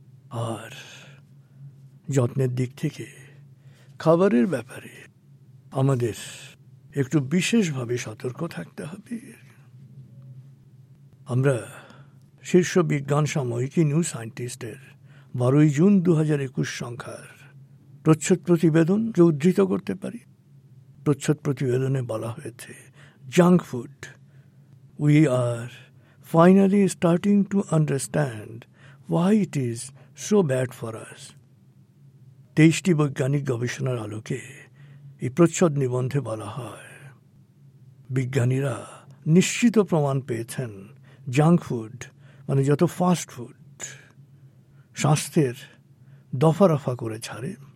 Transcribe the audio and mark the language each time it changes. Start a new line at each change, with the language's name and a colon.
Bangla: আর যত্নের দিক থেকে খাবারের ব্যাপারে আমাদের একটু বিশেষভাবে সতর্ক থাকতে হবে। আমরা শীর্ষ বিজ্ঞান সাময়িকী নিউ সায়েন্টিস্টের 12 জুন 2021 সংখ্যার প্রচ্ছদ প্রতিবেদনকে উদ্ধৃত করতে পারি। প্রচ্ছদ প্রতিবেদনে বলা হয়েছে junk food
English: we are finally starting to understand why it is so bad for us.
Bangla: দেশটি বৈজ্ঞানিক গবেষণার আলোকে এই প্রচ্ছদ নিবন্ধে বলা হয়, বিজ্ঞানীরা নিশ্চিত প্রমাণ পেয়েছেন জাঙ্ক ফুড মানে যত ফাস্ট ফুড স্বাস্থ্যের দফা রফা করে ছাড়ে।